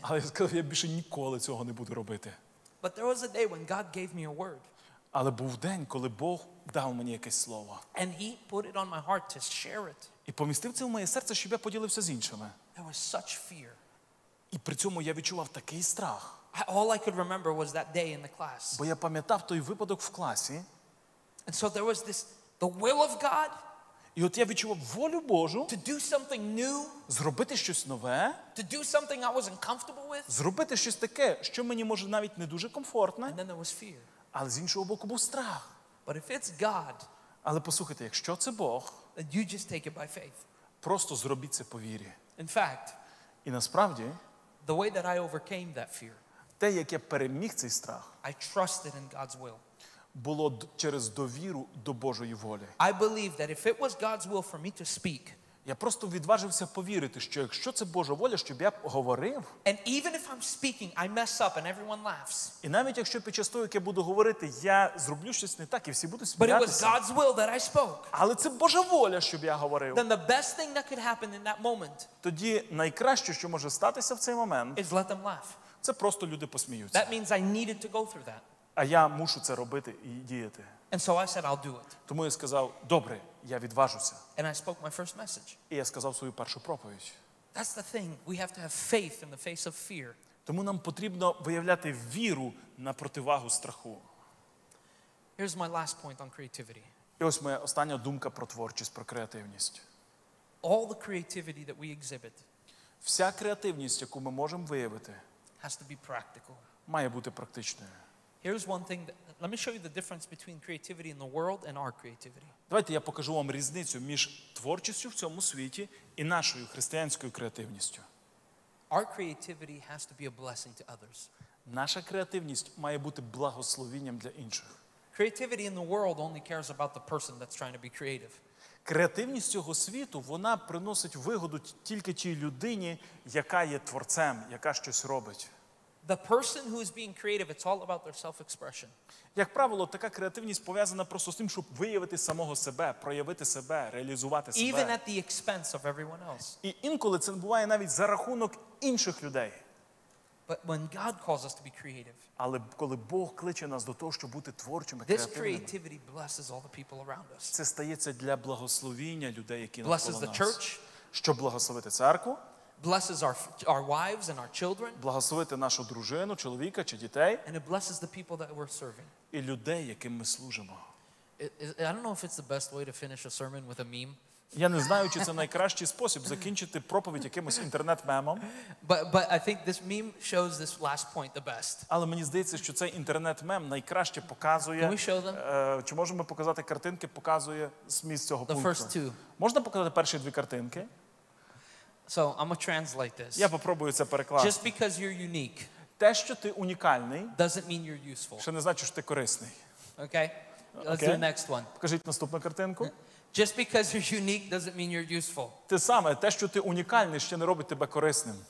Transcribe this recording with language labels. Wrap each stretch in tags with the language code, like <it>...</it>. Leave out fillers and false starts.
<uk>Але я сказав, я більше ніколи цього не буду робити.</uk> <en>But there was a day when God gave me a word.</en> <uk>Але був день, коли Бог дав мені якесь слово.</uk> <en>And he put it on my heart to share it.</en> <uk>І помістив це в моє серце, щоб я поділився з іншими.</uk> <en>There was such fear.</en> <uk>І при цьому я відчував такий страх.</uk> <en>All I could remember was that day in the class.</en> <uk>Бо я пам'ятав той випадок в класі.</uk> <en>And so there was this the will of God.</en> <uk>І от я відчував волю Божу.</uk> <en>To do something new.</en> <uk>Зробити щось нове.</uk> <en>To do something I wasn't comfortable with.</en> <uk>Зробити щось таке, що мені може навіть не дуже комфортно.</uk> <en>And then there was fear.</en> <uk>Але з іншого боку був страх.</uk> <en>But if it's God.</en> <uk>Але послухайте, якщо це Бог.</uk> <en>Then you just take it by faith.</en> <uk>Просто зробіть це по вірі.</uk> <en>In fact.</en> <uk>І насправді.</uk> <en>The way that I overcame that fear.</en> <uk>Те, як я переміг цей страх.</uk> <en>I trusted in God's will.</en> <uk>Було через довіру до Божої волі.</uk> <en>I believe that if it was God's will for me to speak.</en> <uk>Я просто відважився повірити, що якщо це Божа воля, щоб я говорив.</uk> <en>And even if I'm speaking, I mess up and everyone laughs.</en> <uk>І навіть якщо під час того, як я буду говорити, я зроблю щось не так, і всі будуть сміятися.</uk> <en>But it was God's will that I spoke.</en> <uk>Але це Божа воля, щоб я говорив.</uk> <en>Then the best thing that could happen in that moment.</en> <uk>Тоді найкраще, що може статися в цей момент.</uk> <en>Is let them laugh.</en> <uk>Це просто люди посміються.</uk> <en>That means I needed to go through that.</en> <uk>А я мушу це робити і діяти.</uk> <en>And so I said, I'll do it.</en> <uk>Тому я сказав, добре, я відважуся.</uk> <en>And I spoke my first message.</en> <uk>І я сказав свою першу проповідь.</uk> <en>That's the thing. We have to have faith in the face of fear.</en> <uk>Тому нам потрібно виявляти віру на противагу страху.</uk> <en>Here's my last point on creativity.</en> <uk>І ось моя остання думка про творчість, про креативність.</uk> <en>All the creativity that we exhibit.</en> <uk>Вся креативність, яку ми можемо виявити,</uk> <en>has to be practical.</en> <uk>Має бути практичною.</uk> <en>Here's one thing that, let me show you the difference between creativity in the world and our creativity.</en> <uk>Давайте я покажу вам різницю між творчістю в цьому світі і нашою християнською креативністю.</uk> <en>Our creativity has to be a blessing to others.</en> <uk>Наша креативність має бути благословенням для інших.</uk> <en>Creativity in the world only cares about the person that's trying to be creative.</en> <uk>Креативність цього світу, вона приносить вигоду тільки тій людині, яка є творцем, яка щось робить.</uk> <en>The person who is being creative, it's all about their self-expression.</en> <uk>Як правило, така креативність пов'язана просто з тим, щоб виявити самого себе, проявити себе, реалізувати себе.</uk> <en>Even at the expense of everyone else.</en> <uk>І інколи це буває навіть за рахунок інших людей.</uk> <en>But when God calls us to be creative,</en> <uk>але коли Бог кличе нас до того, щоб бути творчими,</uk> <en>this creativity blesses all the people around us.</en> <uk>Це стається для благословення людей, які навколо нас.</uk> <en>Blesses the church,</en> <uk>щоб благословити церкву.</uk> <en>Blesses our wives and our children.</en> <uk>Благословити нашу дружину, чоловіка чи дітей.</uk> <en>And it blesses the people that we're serving.</en> <uk>І людей, яким ми служимо.</uk> <en>I don't know if it's the best way to finish a sermon with a meme.</en> <uk>Я не знаю, чи це найкращий спосіб закінчити проповідь якимось інтернет-мемом.</uk> <en>But I think this meme shows this last point the best.</en> <uk>Але мені здається, що цей інтернет-мем найкраще показує.</uk> <en>Can we show them?</en> <uk>Чи можемо ми показати картинки, показує зміст цього пункту?</uk> <en>The first two.</en> <uk>Можна показати перші дві картинки?</uk> <en>So, I'm gonna translate this.</en> <uk>Я попробую це перекласти.</uk> <en>Just because you're unique.</en> <uk>Те, що ти унікальний,</uk> <en>doesn't mean you're useful.</en> <uk>Ще не значить, що ти корисний.</uk> <en>Okay? Let's do the next one.</en> <uk>Покажіть наступну картинку.</uk> <en>Just because you're unique doesn't mean you're useful.</en> <uk>Те саме, те, що ти унікальний, ще не робить тебе корисним.</uk>